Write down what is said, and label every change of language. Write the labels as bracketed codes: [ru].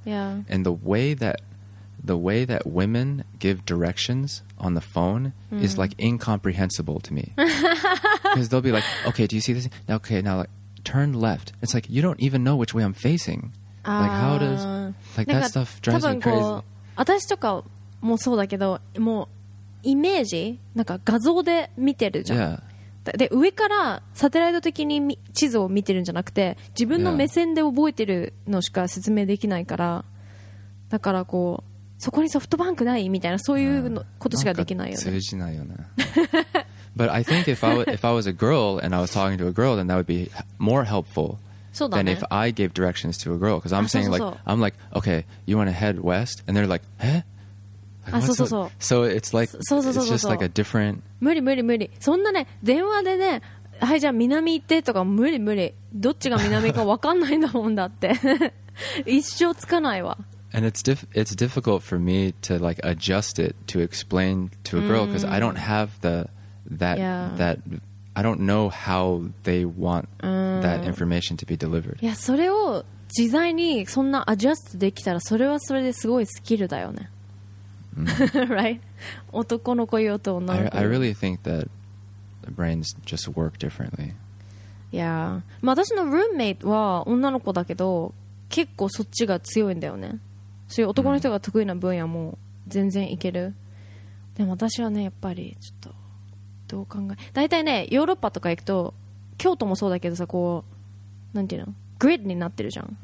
[en] Yeah. And the way that women give directions on the phone is like incomprehensible to me. Because they'll be like, okay, do you see this? Okay, now like, turn left. It's like, you don't even know which way I'm facing. Like how does... Like that stuff drives me crazy. [ja] 私とかもそうだけど、もうイメージ、なんか画像で見てるじゃん。 [en] Yeah. [ja] ったで上からサテライト的に地図を見てるんじゃなくて自分の目線で覚えてるのしか説明できないから、yeah. だからこうそこにソフトバンクないみたいなそういうのことしかできないよね、なんか通じないよね [en] But I think if I was a girl and I was talking to a girl, then that would be more helpful、 [ja] ね、 [en] than if I gave directions to a girl. Because I'm saying [ja] そうそう [en] そう like, I'm like, okay, you want to head west? And they're like, eh? [ja] Like, そうそうそう [en] so it's like, [ja] そうそうそう [en] it's just like a different... [ja] 無理無理無理。そんなね、電話でね、はいじゃあ南行ってとか無理無理。どっちが南か分かんないんだもんだって。一生つかないわ。 [en] And it's difficult for me to like adjust it to explain to a girl because I don't have the... That, yeah. that I don't know how they want that information to be delivered. [ja] Yeah, それを自在にそんなアジャストできたらそれはそれですごいスキルだよね。 Right? 男の子よと女の子。 [en] I really think that the brains just work differently. Yeah. [ja] まあ私のルームメイトは女の子だけど結構そっちが強いんだよね。そういう男の人が得意な分野も全然いける。でも私はね、やっぱりちょっと。どう考え、大体ね、ヨーロッパとか行くと、京都もそうだけどさ、こう、なんていうの、グリッドになってるじゃん。